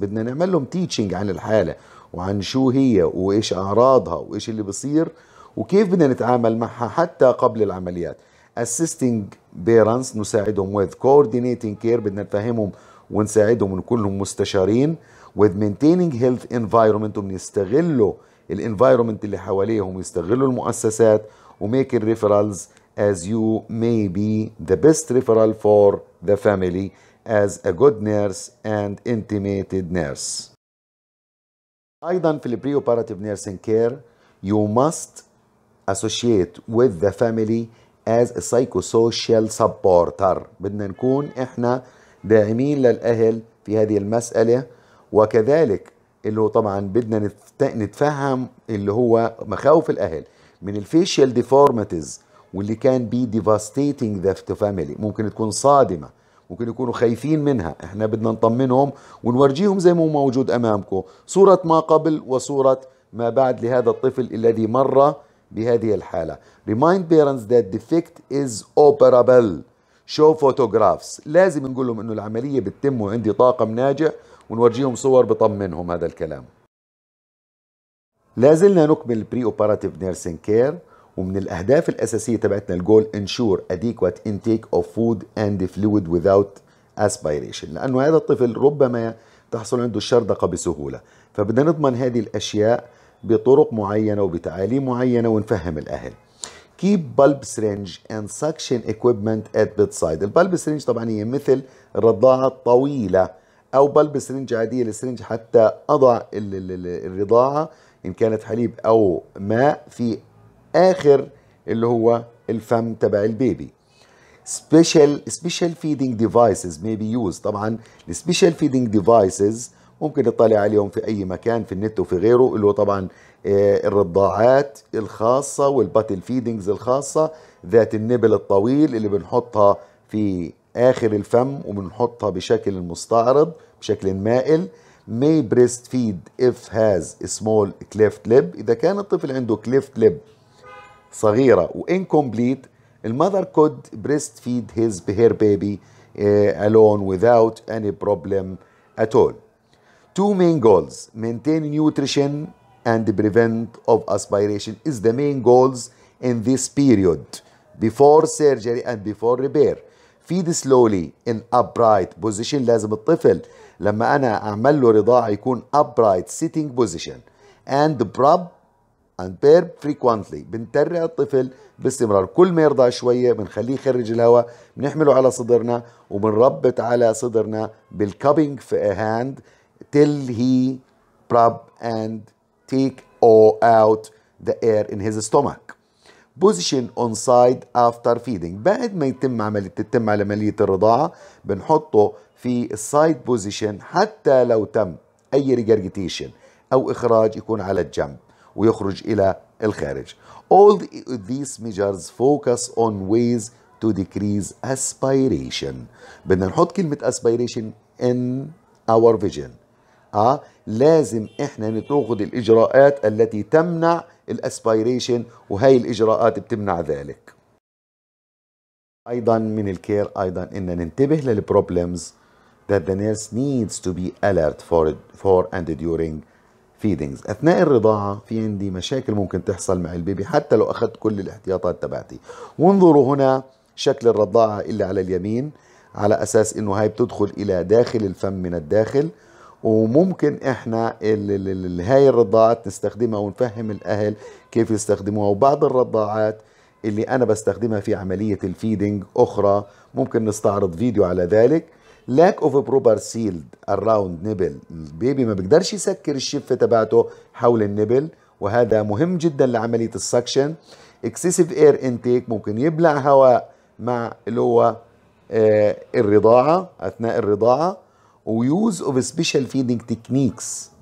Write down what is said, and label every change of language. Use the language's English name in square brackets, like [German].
[Arabic] بدنا نعمل لهم teaching عن الحالة وعن شو هي وإيش أعراضها وإيش اللي بصير وكيف بدنا نتعامل معها حتى قبل العمليات. [English] Assisting parents, [Arabic] نساعدهم [English] with coordinating care, [Arabic] بدنا نفهمهم ونساعدهم ونكونهم مستشارين. [English] With maintaining health environment, [Arabic] وبنستغلوا ال environment اللي حواليهم ويستغلوا المؤسسات. [English] Making referrals as you may be the best referral for the family as a good nurse and intimated nurse. [Arabic] أيضا في [English] the preoperative nursing care you must associate with the family as a psychosocial supporter. [Arabic] بدنا نكون احنا داعمين للأهل في هذه المسألة، وكذلك اللي هو طبعا بدنا نتفهم اللي هو مخاوف الأهل من facial deformities واللي كان [English] be devastating the family. [Arabic] ممكن تكون صادمة، ممكن يكونوا خايفين منها، احنا بدنا نطمنهم ونورجيهم زي ما هو موجود امامكم صورة ما قبل وصورة ما بعد لهذا الطفل الذي مر بهذه الحالة. [English] Remind parents that defect is operable. Show photographs. [Arabic] لازم نقول لهم انه العملية بتتم وعندي طاقم ناجح ونورجيهم صور بطمنهم هذا الكلام. لازلنا نكمل pre-operative nursing care، ومن الأهداف الأساسية تبعتنا الجول [English] ensure adequate intake of food and fluid without aspiration، [Arabic] لأنه هذا الطفل ربما تحصل عنده الشردقة بسهولة، فبدنا نضمن هذه الأشياء بطرق معينة وبتعاليم معينة ونفهم الأهل. [English] Keep bulb syringe and suction equipment at bedside. [Arabic] البلب سرنج طبعا هي مثل الرضاعة الطويلة أو بلب سرنج عادية للسرنج حتى أضع الرضاعة إن كانت حليب أو ماء في آخر اللي هو الفم تبع البيبي. [English] Special feeding devices may be used. [Arabic] طبعا [English] Special feeding devices [Arabic] ممكن نطلع عليهم في أي مكان في النت وفي غيره، اللي هو طبعا الرضاعات الخاصة والباتل فيدينجز الخاصة ذات النبل الطويل اللي بنحطها في آخر الفم وبنحطها بشكل مستعرض بشكل مائل. [English] May breastfeed if has a small cleft lip. [Arabic] إذا كان الطفل عنده [English] cleft lip [Arabic] صغيرة و [English] incomplete, المذر could breastfeed his her baby alone without any problem at all. Two main goals, maintain nutrition and prevent of aspiration is the main goals in this period. before surgery and before repair. Feed slowly in upright position. [Arabic] لازم الطفل لما أنا أعمل له رضاعة يكون [English] upright sitting position. And burp and burp frequently. [Arabic] بنترع الطفل باستمرار. كل ما يرضع شوية بنخليه يخرج الهواء. بنحمله على صدرنا وبنربط على صدرنا [English] بالcupping hand till he burp and take out the air in his stomach. Position on side after feeding. [Arabic] بعد ما يتم عملية تتم على عملية الرضاعة بنحطه في side position حتى لو تم أي regurgitation أو إخراج يكون على الجنب ويخرج إلى الخارج. [English] All these measures focus on ways to decrease aspiration. [Arabic] بدنا نحط كلمة [English] aspiration in our vision. [Arabic] لازم إحنا نتوخد الإجراءات التي تمنع الاسبيريشن وهي الاجراءات بتمنع ذلك. ايضا من الكير ايضا ان ننتبه للبروبلمز [English] that the nurse needs to be alert for and during feedings. [Arabic] اثناء الرضاعه في عندي مشاكل ممكن تحصل مع البيبي حتى لو اخذت كل الاحتياطات تبعتي. وانظروا هنا شكل الرضاعه اللي على اليمين على اساس انه هاي بتدخل الى داخل الفم من الداخل. وممكن احنا هاي الرضاعات نستخدمها ونفهم الاهل كيف يستخدموها. وبعض الرضاعات اللي انا بستخدمها في عملية الفيدينج اخرى ممكن نستعرض فيديو على ذلك. [English] lack of proper sealed around nipple. [Arabic] البيبي ما بقدرش يسكر الشفة تبعته حول النبل وهذا مهم جدا لعملية السكشن. [English] excessive air intake [Arabic] ممكن يبلع هواء مع اللي هو الرضاعة اثناء الرضاعة. [English] Use of special feeding techniques.